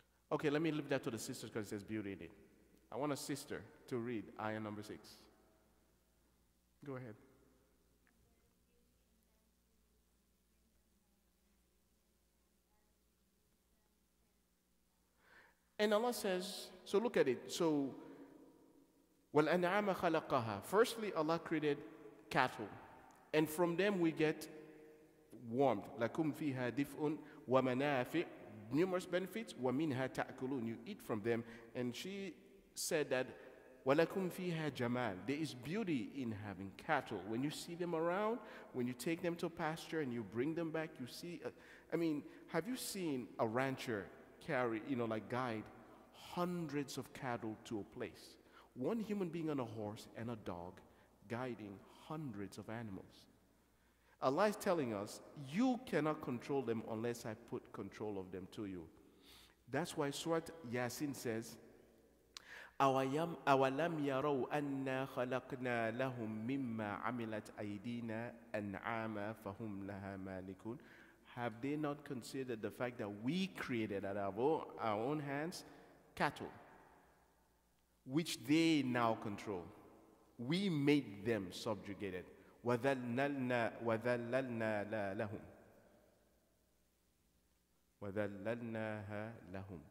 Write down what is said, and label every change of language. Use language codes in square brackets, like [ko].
[en] Okay, let me leave that to the sisters, because it says beauty in it. I want a sister to read ayah number 6. Go ahead. And Allah says, so look at it. [ar] So, وَالْأَنْعَامَ خَلَقَهَا. [en] Firstly, Allah created cattle. And from them we get warmth. [ar] لَكُمْ فِيهَا دِفْءٌ وَمَنَافِعٌ. [en] Numerous benefits. [ar] وَمِنْهَا تَأْكُلُونَ. [en] You eat from them. And she said that, [ar] وَلَكُمْ فِيهَا جَمَالٌ. [en] There is beauty in having cattle. When you see them around, when you take them to pasture and you bring them back, you see, have you seen a rancher carry, guide hundreds of cattle to a place? One human being on a horse and a dog guiding hundreds of animals. Allah is telling us, you cannot control them unless I put control of them to you. That's why Surah Yasin says, [ar] أَوَلَمْ يَرَوْا أَنَّا خَلَقْنَا لَهُمْ مِمَّا عَمِلَتْ أَيْدِينَا أَنْعَامًا فَهُمْ لَهَا مَالِكُونَ. [en] Have they not considered the fact that we created out of our own hands cattle, which they now control? We made them subjugated. [ar] وَذَلَّلْنَا لَهُمْ وَذَلَّلْنَاهَا لَهُمْ.